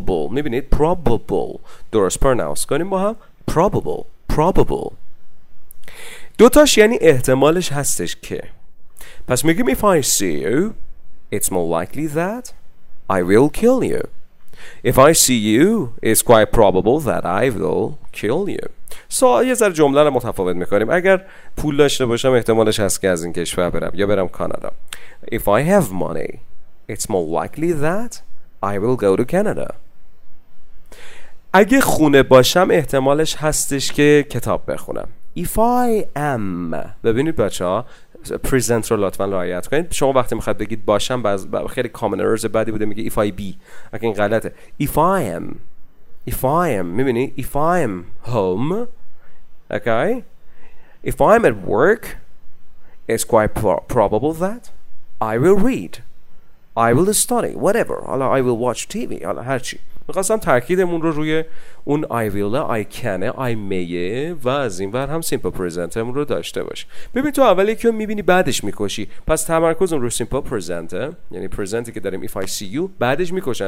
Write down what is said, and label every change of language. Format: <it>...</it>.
<fa>میبینید probable درست پرنانس کنیم با هم probable. دوتاش یعنی احتمالش هستش که. پس میگیم</fa> <en>if I see you it's more likely that I will kill you. If I see you it's quite probable that I will kill you.</en> <fa>سو یه ذره جمله رو متفاوت میکنیم. اگر پول داشته باشم احتمالش هست که از این کشور برم یا برم کانادا.</fa> <en>If I have money it's more likely that I will go to Canada.</en> <fa>اگه خونه باشم احتمالش هستش که کتاب بخونم.</fa> <en>If I am.</en> <fa>ببینید بچه ها present رو لطفا رعایت کنید. شما وقتی میخواد بگید باشم خیلی common errors بعدی بوده میگه</fa> <en>if I be،</en> <fa>اگه این غلطه.</fa> <en>If I am.</en> <fa>میبینی</fa> <en>if I am home. Okay. If I'm at work, it's quite probable that I will read. I will study, whatever. I will watch TV.</en> <fa>هر چی. می‌خواستم تاکیدمون رو روی اون</fa> <en>I will, I can, I may</en> <fa>و از این ور هم simple presentمون رو داشته باش. ببین تو اول یکی رو می‌بینی بعدش می‌کشی. پس تمرکزمون رو simple present، یعنی presenti که داریم</fa> <en>if I see you،</en> <fa>بعدش می‌کشن.</fa>